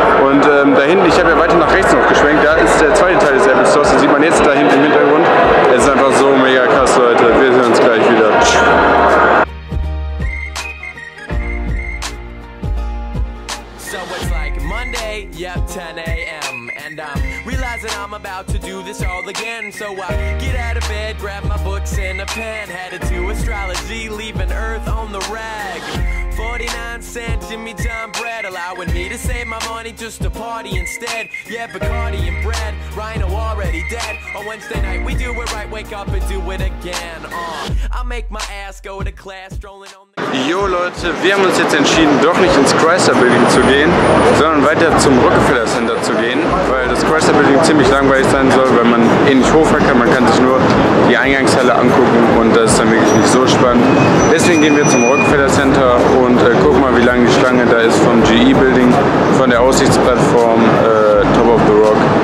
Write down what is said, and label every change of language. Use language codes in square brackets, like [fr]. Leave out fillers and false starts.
[de] Und da hinten, ich habe ja weiter nach rechts noch geschwenkt, da ist der zweite Teil des Apple Stores, den sieht man jetzt da hinten im Hintergrund. Es ist einfach so mega krass, Leute. Wir sehen uns gleich wieder. [en] So it's like Monday, yep, 10 a.m. And I'm realizing I'm about to do this all again. So I get out of bed, grab my books and a pen, headed to astrology, leaving Earth on the rag. 49-cent Jimmy John bread, allowing me to save my money just to party instead. Yeah, Bacardi and bread, Rhino already dead. On Wednesday night, we do it right, wake up and do it again. I'll make my ass go to class, strolling on the... [de] Yo Leute, wir haben uns jetzt entschieden, doch nicht ins Chrysler Building zu gehen, sondern weiter zum Rockefeller Center zu gehen, weil das Chrysler Building ziemlich langweilig sein soll, weil man eh nicht hochfahren kann, man kann sich nur die Eingangshalle angucken und das ist dann wirklich nicht so spannend. Deswegen gehen wir zum Rockefeller Center und gucken mal, wie lang die Schlange da ist vom GE Building, von der Aussichtsplattform Top of the Rock.